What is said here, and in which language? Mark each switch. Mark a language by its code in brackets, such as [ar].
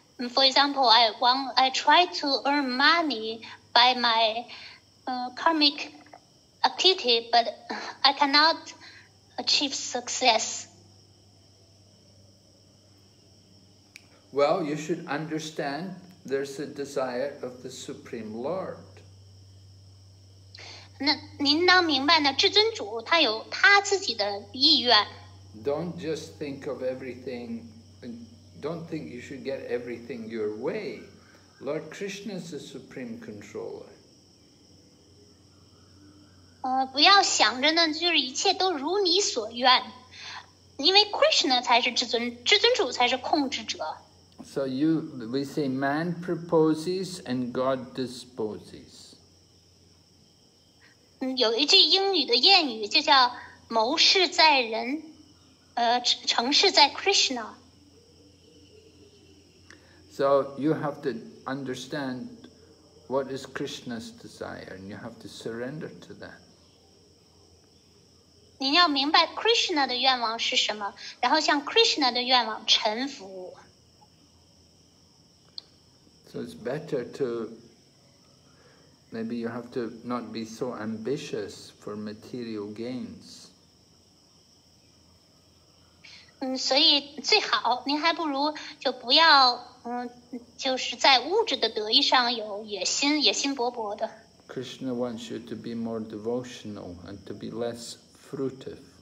[en] For example, I try to earn money by my karmic activity, but I cannot achieve success. Well, you should understand there's a desire of the Supreme Lord. [zh] 那您当明白呢，至尊主他有他自己的意愿。 [en] Don't just think of everything, don't think you should get everything your way. Lord Krishna is the Supreme Controller. [zh] 不要想着呢，就是一切都如你所愿，因为 Krishna 才是至尊主才是控制者。 [en] So you, we say man proposes and God disposes. [zh] 有一句英语的谚语就叫谋事在人，成事在 Krishna. [en] So you have to understand what is Krishna's desire and you have to surrender to that. [zh] 你要明白 Krishna 的愿望是什么，然后向 Krishna 的愿望臣服。 [en] So it's better to, maybe you have to not be so ambitious for material gains. [zh] 所以最好您还不如就不要就是在物质的得意上有野心勃勃的。 [en] Krishna wants you to be more devotional and to be less fruitive.